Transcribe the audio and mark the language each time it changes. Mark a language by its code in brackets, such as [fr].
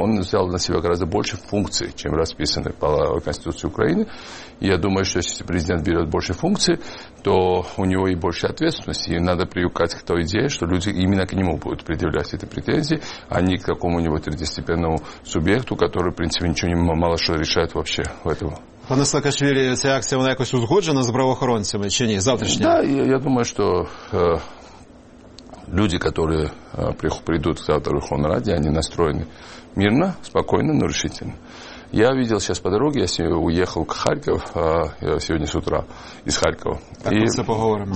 [ru] Он взял на себя гораздо больше функций, чем расписаны по Конституции Украины. И я думаю, что если президент берет больше функций, то у него и больше ответственности, и надо привыкать к той идее, что люди именно к нему будут предъявлять эти претензии, а не к какому-нибудь третьестепенному субъекту, который, в принципе, ничего не мало что решает вообще в этом. [uk] Пане Саакашвили, ця акція, вона якось узгоджена з правоохоронцями, чи ні, завтрашня? [ru] Да, я думаю, что люди, которые придут завтра в Верховной Раде, они настроены мирно, спокойно, но решительно. Я видел сейчас по дороге, я сегодня уехал в Харьков, сегодня с утра из Харькова. Так, и, мы все поговорим.